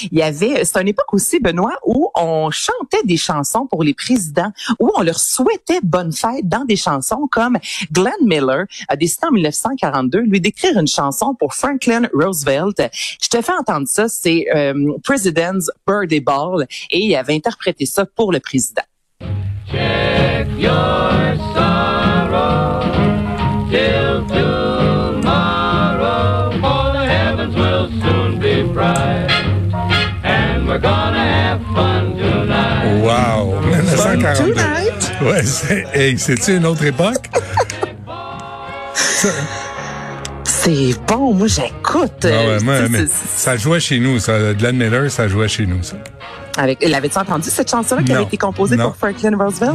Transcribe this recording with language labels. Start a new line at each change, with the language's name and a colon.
French: Il y avait, c'est une époque aussi, Benoît, où on chantait des chansons pour les présidents, où on leur souhaitait bonne fête dans des chansons comme Glenn Miller a décidé en 1942 lui d'écrire une chanson pour Franklin Roosevelt. Je te fais entendre ça, c'est President's Birthday Ball, et il avait interprété ça pour le président.
English: Your sorrow till tomorrow, for the heavens will soon be bright, and we're gonna have fun tonight. Wow, 1942. Fun tonight.
French: Ouais, c'est-tu une autre époque? C'est bon, moi j'écoute. Ah ouais, mais ça jouait chez nous, ça. Glenn Miller, ça jouait chez nous, ça. L'avais-tu entendu, cette chanson-là, qui avait été composée pour Franklin Roosevelt?